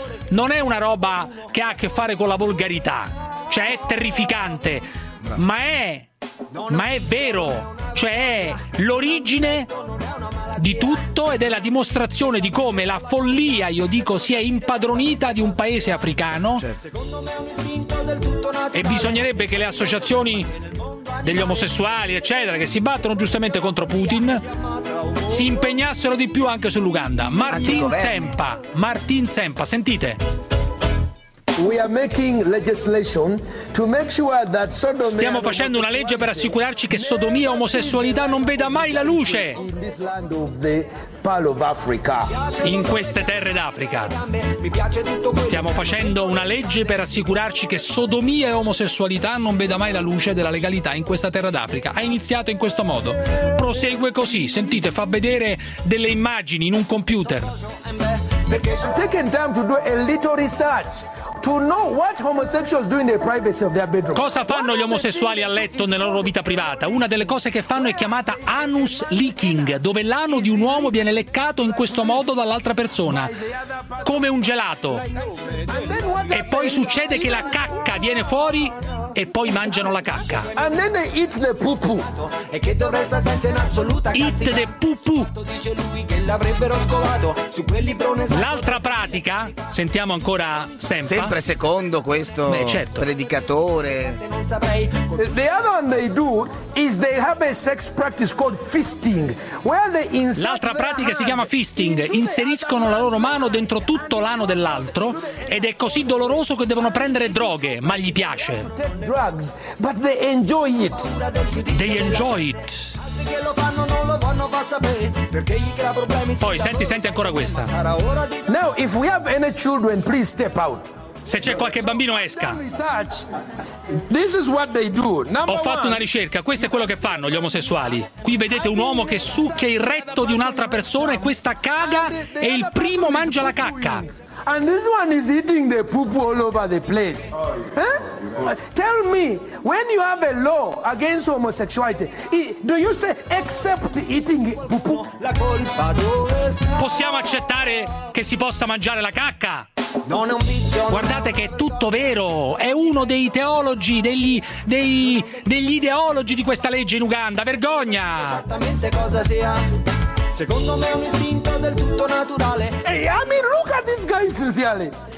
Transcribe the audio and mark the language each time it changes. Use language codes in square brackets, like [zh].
[it] non è una roba che ha a che fare con la volgarità, cioè è terrificante, ma è vero, cioè è l'origine di tutto ed è la dimostrazione di come la follia, io dico, si è impadronita di un paese africano. Certo. E bisognerebbe che le associazioni degli omosessuali, eccetera, che si battono giustamente contro Putin, si impegnassero di più anche sull'Uganda. Martin Sempa, sentite. [en] We are making legislation to make sure that sodomia. [it] Stiamo facendo una legge per assicurarci che sodomia e omosessualità non veda mai la luce. [en] In this land of the Pearl of Africa. [it] In queste terre d'Africa. Stiamo facendo una legge per assicurarci che sodomia e omosessualità non veda mai la luce della legalità in questa terra d'Africa. Ha iniziato in questo modo. Prosegue così. Sentite, fa vedere delle immagini in un computer. [en] I've taken time to do a little research to know what homosexuals do in the privacy of their bedroom. [it] Cosa fanno gli omosessuali a letto nella loro vita privata? Una delle cose che fanno è chiamata anus leaking, dove l'ano di un uomo viene leccato in questo modo dall'altra persona, come un gelato. E poi succede che la cacca viene fuori e poi mangiano la cacca. [en] And then they eat the poo-poo. [it] E che dovresta senza in assoluta [en] eat the poo-poo. [it] Dice lui che l'avrebbero scovato su quel librone. L'altra pratica, sentiamo ancora Sempa. Sempre secondo questo, beh, certo, predicatore. [en] The other one they do is they have a sex practice called fisting, where they insert. [it] L'altra pratica si chiama fisting. Inseriscono la loro mano dentro tutto l'ano dell'altro ed è così doloroso che devono prendere droghe, ma gli piace. [en] Drugs, but they enjoy it. They enjoy it. [it] Che lo fanno non lo vanno a sapere perché gli crea problemi. Poi senti ancora questa. [en] Now if we have any children please step out. [it] Se c'è qualche bambino esca. [en] This is what they do. [it] Ho fatto una ricerca, questo è quello che fanno gli omosessuali. Qui vedete un uomo che succhia il retto di un'altra persona e questa caga e il primo mangia la cacca. [en] And this one is eating the poop all over the place. Huh? Tell me, when you have a law against homosexuality, do you say except eating poop? [it] La colpa dove sta? Possiamo accettare che si possa mangiare la cacca? Non è un vizio. Guardate che è tutto vero. È uno dei teologi, degli ideologi di questa legge in Uganda. Vergogna! Esattamente cosa sia. Secondo me è un istinto del tutto naturale. [en] Hey, I mean, look at this guy, sincerely.